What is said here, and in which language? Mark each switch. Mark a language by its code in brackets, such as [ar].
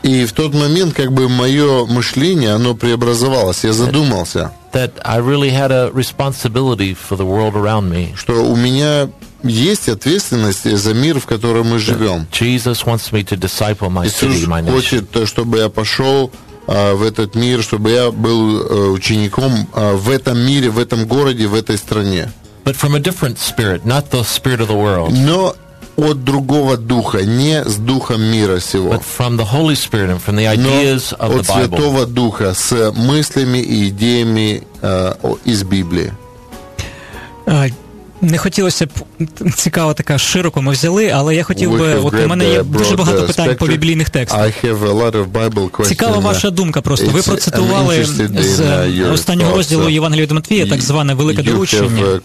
[ru] И в тот момент, как бы, мое мышление, оно преобразовалось. Я задумался. [en] That I really had a responsibility for the world around me. [ru] Что у меня есть ответственность за мир, в котором мы живем. [en] Jesus wants me to disciple my city, my nation. [ru] Иисус хочет, чтобы я пошел в этот мир, чтобы я был учеником в этом мире, в этом городе, в этой стране. [en] But from a different spirit, not the spirit of the world. [ru] Но от другого духа, не с духом мира сего, [en] but from the Holy Spirit and from the ideas [ru] но от Святого Духа, с мыслями и идеями из Библии. [uk] Не хотілося б, цікаво така, широко ми взяли, але я хотів би, от у мене є дуже багато питань по біблійних текстах. Цікава ваша думка просто. Ви процитували з останнього розділу Євангелія від Матвія, так зване велике доручення.